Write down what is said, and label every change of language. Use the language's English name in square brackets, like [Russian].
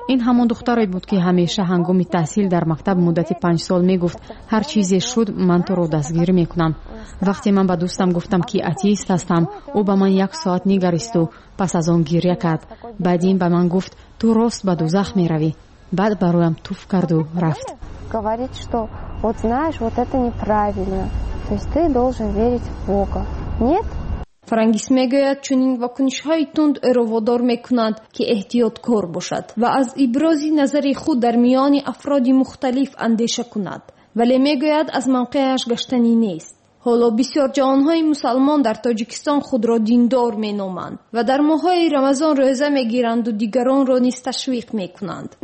[Tajik] Ин ҳамон духтаре буд, ки ҳамеша ҳангоми таҳсил дар мактаб муддати 5 сол мегуфт, ҳар чизе шуд, ман туро дастгир мекунам. Вақте ман ба дӯстам гуфтам, ки атеист ҳастам, ӯ ба ман як соат нигаристу, пас аз он гирья кард. Баъд ин ба ман гуфт, ту рост ба дӯзах меравӣ. Баъд бароям туф карду рафт. [Russian] Говорит, что вот знаешь, вот это неправильно. То есть ты должен верить в Бога. Нет? [Persian] فرنگیس میگوید چنین واکنش‌های تند را وادار می‌کند که احتیاط کار باشد و از ابراز نظر خود در میان افراد مختلف اندیشه کند، ولی میگوید از موقعش گشتنی نیست. حالا بسیار جوانهای مسلمان در تاجیکستان خود را دیندار می‌نامند و در ماه‌های رمضان روزه می‌گیرند و دیگران را نیز تشویق می‌کنند.